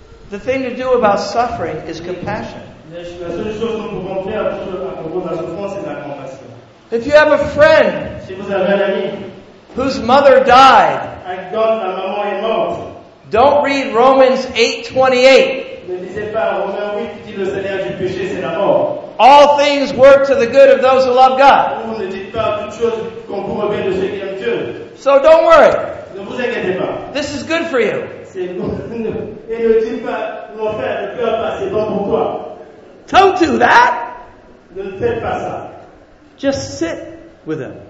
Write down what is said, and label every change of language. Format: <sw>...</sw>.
<en>The thing to do about suffering is compassion.</en> <fr>La seule chose que nous pouvons faire à propos de la souffrance, c'est la compassion.</fr> <en>If you have a friend,</en> <fr>si vous avez un ami,</fr> <en>whose mother died.</en> <fr>Donc, la maman est morte.</fr> <en>Don't read Romans 8:28.</en> <fr>Ne lisez pas Romains 8 qui dit le salaire du péché c'est la mort.</fr> <en>All things work to the good of those who love God.</en> <fr>Vous ne dites pas toutes choses concourent au bien de ceux qui aiment Dieu.</fr> <en>So don't worry.</en> <fr>Ne vous inquiétez pas.</fr> <en>This is good for you.</en> <fr>C'est bon. Et ne dites pas mon frère, ne pleure pas, c'est bon pour toi.</fr> <en>Don't do that.</en> <fr>Ne faites pas ça.</fr> <en>Just sit with them.</en>